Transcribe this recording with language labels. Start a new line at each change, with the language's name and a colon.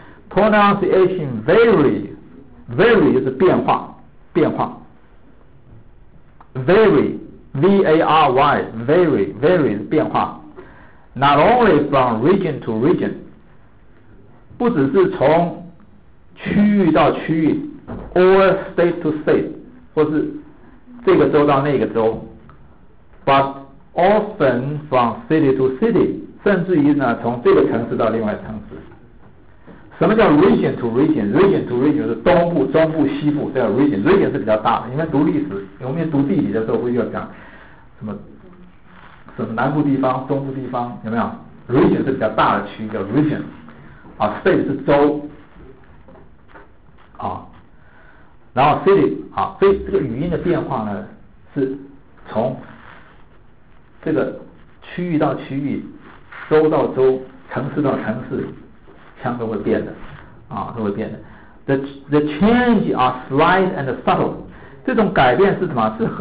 English: pronunciation vary
Chinese: 就是变化
English: vary V-A-R-Y vary
Chinese: 是变化。
English: not only from region to region，
Chinese: 不只是从区域到区域，
English: or state to state，
Chinese: 或是这个州到那个州，
English: but often from city to city，
Chinese: 甚至于呢从这个城市到另外城市。什么叫
English: region to region？ region to region
Chinese: 是东部、中部、西部，叫 region。region 是比较大的，因为读历史，我们读地理的时候会要讲什么南部地方、中部地方，有没有？ region 是比较大的区域，叫 region。啊， state 是州啊，然后 city 啊，所以这个语音的变化呢是从这个区域到区域，州到州，城市到城市，腔都会变的，啊，都会变的。
English: The change are slight and subtle，
Chinese: 这种改变是什么？